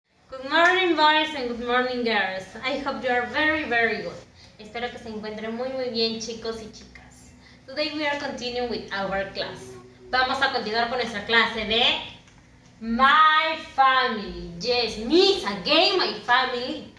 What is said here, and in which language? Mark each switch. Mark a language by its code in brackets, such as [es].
[en] Good morning, boys, and good morning, girls. I hope you are very, very good. [es] Espero que se encuentren muy, muy bien, chicos y chicas. [en] Today we are continuing with our class. [es] Vamos a continuar con nuestra clase de My Family. [en] Yes, Miss, again, my family.